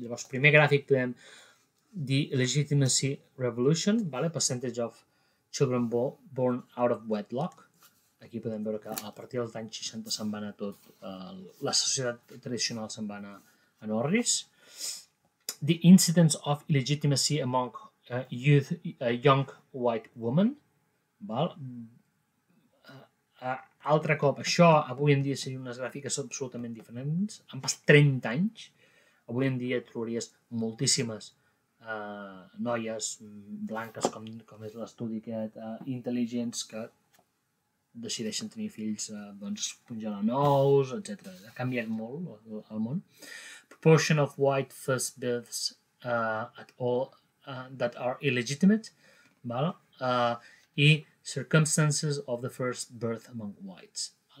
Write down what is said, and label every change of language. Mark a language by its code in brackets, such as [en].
[ca] Llavors, primer gràfic podem dir [en] legitimacy revolution, [ca] vale? [en] Percentage of children born out of wedlock. [ca] Aquí podem veure que a partir dels anys 60 se'n va anar tot, la societat tradicional se'n va anar en orris. [en] The incidence of illegitimacy among young white women. [ca] Val? Altre cop, això avui en dia serien unes gràfiques absolutament diferents. Han passat 30 anys. Avui en dia trobaries moltíssimes noies blanques, com és l'estudi aquest, intel·ligents, que decideixen tenir fills doncs, congelant ous, etc. Ha canviat molt el món. [en] Proportion of white first births at all that are illegitimate. [ca] Val? [en] I circumstances of the first birth among whites.